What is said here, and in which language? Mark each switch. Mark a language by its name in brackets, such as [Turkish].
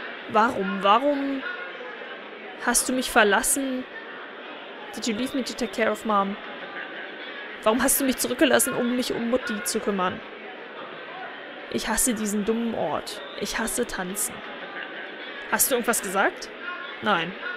[German] Warum hast du mich verlassen? [English] Did you leave me to take care of Mom? [German] Warum hast du mich zurückgelassen, um mich um Mutti zu kümmern? Ich hasse diesen dummen Ort. Ich hasse Tanzen. Hast du irgendwas gesagt? Nein.